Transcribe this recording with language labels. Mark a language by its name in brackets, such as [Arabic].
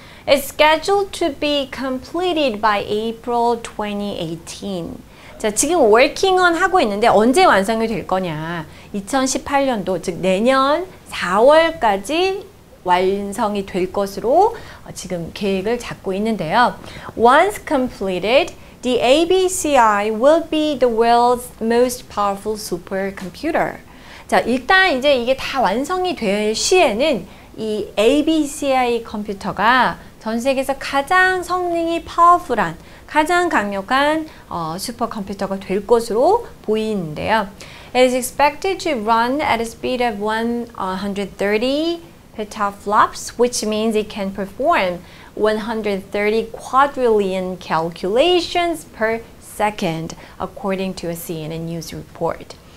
[English] It's scheduled to be completed by April 2018. [Korean] 자, 지금 [English] working on [Korean] 하고 있는데 언제 완성이 될 거냐. 2018년도, 즉 내년 4월까지 완성이 될 것으로 지금 계획을 잡고 있는데요. [English] Once completed, the ABCI will be the world's most powerful supercomputer. [Korean] 자, 일단 이제 이게 다 완성이 될 시에는 이 ABCI 컴퓨터가 전 세계에서 가장 성능이 파워풀한, 가장 강력한 슈퍼컴퓨터가 될 것으로 보이는데요. [English] It is expected to run at a speed of 130 petaflops, which means it can perform 130 quadrillion calculations per second, according to a CNN news report.